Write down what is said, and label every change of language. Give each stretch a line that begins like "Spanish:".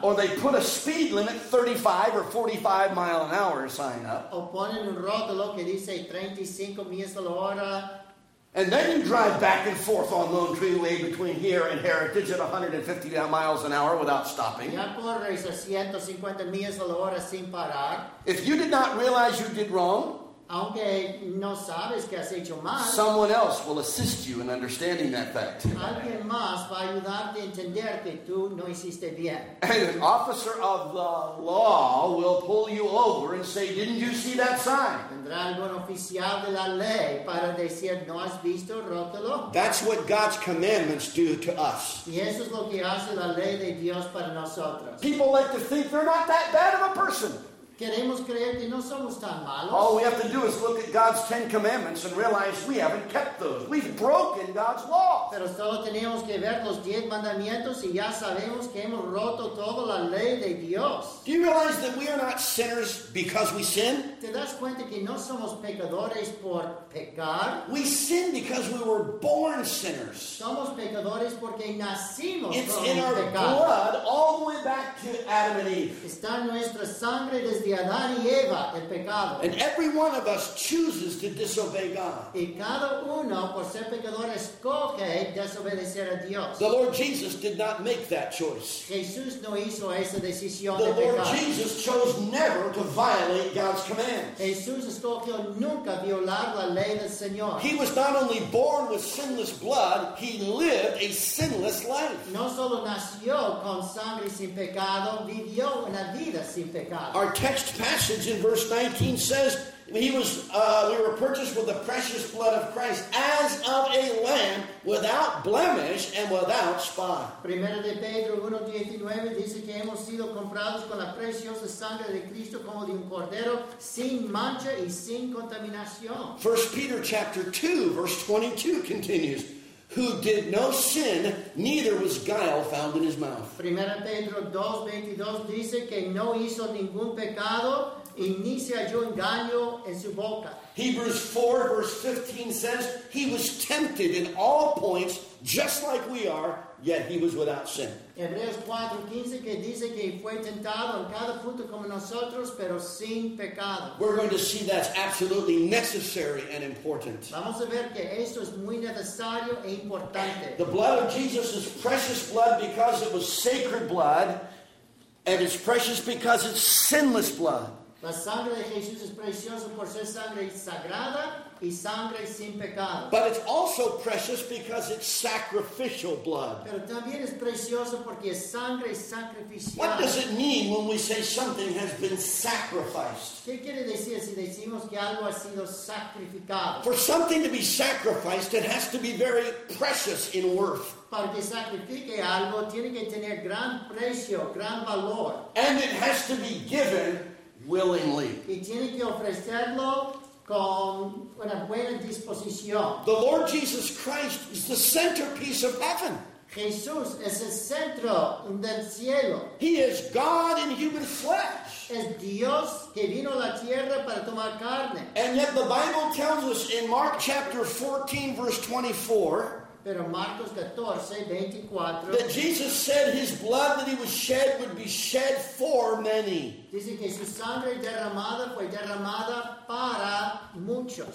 English: Or they put a speed limit, 35 or 45 mile an hour sign up.
Spanish: O ponen un rótulo que dice 35 millas a la hora.
English: And then you drive back and forth on Lone Tree Way between here and Heritage at 150 miles an hour without stopping.
Spanish: Ya corres a 150 millas a la hora sin parar.
English: If you did not realize you did wrong,
Spanish: aunque no sabes que has hecho mal,
English: someone else will assist you in understanding that fact.
Spanish: Alguien más va a ayudarte a entender que tú no hiciste bien.
English: And an officer of the law will pull you over and say, "Didn't you see that sign?"
Spanish: Tendrá algún oficial de la ley para decir, "¿No has visto el rótulo?"
English: That's what God's commandments do to us.
Spanish: Y eso es lo que hace la ley de Dios para nosotros.
English: People like to think they're not that bad of a person.
Spanish: Queremos creer que no somos tan malos.
English: All we have to do is look at God's Ten Commandments and realize we haven't kept those. We've broken God's law.
Spanish: Pero solo tenemos que ver los diez mandamientos y ya sabemos que hemos roto toda la ley de Dios.
English: Do you realize that we are not sinners because we sin?
Spanish: ¿Te das cuenta que no somos pecadores por pecar?
English: We sin because we were born sinners.
Spanish: Somos pecadores porque nacimos
English: It's
Spanish: con
English: in our
Spanish: pecado.
English: Blood all the way back to Adam and Eve.
Spanish: Está en nuestra sangre desde de Adán y Eva, el pecado.
English: And every one of us chooses to disobey God.
Spanish: Y cada uno, por ser pecador, escoge desobedecer a Dios.
English: The Lord Jesus did not make that choice.
Spanish: Jesús no hizo esa decisión de pecar.
English: The Lord Jesus chose never to violate God's commands.
Spanish: Jesús escogió nunca violar la ley del Señor.
English: He was not only born with sinless blood, he lived a sinless life.
Spanish: No solo nació con sangre sin pecado, vivió una vida sin pecado.
English: Our text passage in verse 19 says we were purchased with the precious blood of Christ as of a lamb without blemish and without spot.
Spanish: Primera de Pedro 1:19 dice que hemos sido comprados con la preciosa sangre de Cristo como de un cordero sin mancha y sin contaminación.
English: 1 Peter chapter 2 verse 22 continues, who did no sin, neither was guile found in his mouth.
Spanish: Primera Pedro 2:22 dice que no hizo ningún pecado y ni se halló engaño en su boca.
English: Hebrews 4 verse 15 says, he was tempted in all points just like we are, yet he was without sin.
Spanish: Hebreos 4:15 que dice que fue tentado en cada punto como nosotros, pero sin pecado.
English: We're going to see that's absolutely necessary and important.
Spanish: Vamos a ver que esto es muy necesario e importante.
English: The blood of Jesus is precious blood because it was sacred blood, and it's precious because it's sinless blood.
Spanish: La sangre de Jesús es preciosa por ser sangre sagrada y sangre sin pecado.
English: But it's also precious because it's sacrificial blood.
Spanish: Pero también es preciosa porque es sangre sacrificial.
English: What does it mean when we say something has been sacrificed?
Spanish: ¿Qué quiere decir si decimos que algo ha sido sacrificado?
English: For something to be sacrificed, it has to be very precious in worth.
Spanish: Para que sacrifique algo, tiene que tener gran precio, gran valor.
English: And it has to be given willingly.
Spanish: Y tiene que ofrecerlo con una buena disposición.
English: The Lord Jesus Christ is the centerpiece of heaven.
Spanish: Jesús es el centro del cielo.
English: He is God in human flesh.
Spanish: Es Dios que vino a la tierra para tomar carne.
English: And yet the Bible tells us in Mark chapter 14 verse 24.
Spanish: Pero Marcos 14, 24,
English: that Jesus said his blood that he was shed would be shed for many.
Spanish: Dice que su sangre derramada fue derramada para muchos.